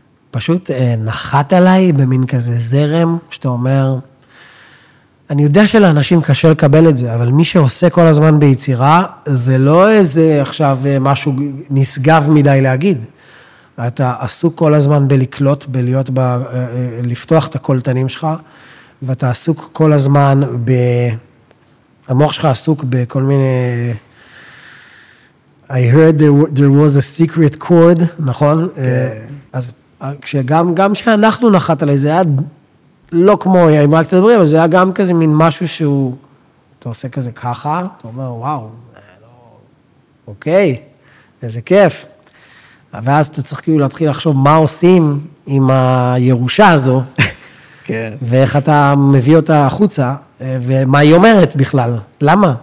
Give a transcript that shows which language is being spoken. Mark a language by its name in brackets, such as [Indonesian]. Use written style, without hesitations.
[Hebrew] פשוט נחת עליי במין כזה זרם, שאתה אומר, אני יודע שלאנשים קשה לקבל את זה, אבל מי שעושה כל הזמן ביצירה, זה לא איזה עכשיו משהו נשגב מדי להגיד. אתה עסוק כל הזמן בלקלוט, בלהיות, לפתוח את הקולטנים שלך, ואתה עסוק כל הזמן ב... המוח שלך עסוק בכל מיני... [English] I heard there was a secret chord, [Hebrew] נכון? אז גם שאנחנו נחת עליי, זה היה לא כמו, אם רק תדברי, אבל זה היה גם כזה מין משהו שהוא, אתה עושה כזה ככה, אתה אומר, וואו, אוקיי, איזה כיף. ואז אתה צריך כאילו להתחיל לחשוב מה עושים עם הירושה הזו, ואיך אתה מביא אותה החוצה, ומה היא אומרת בכלל? למה?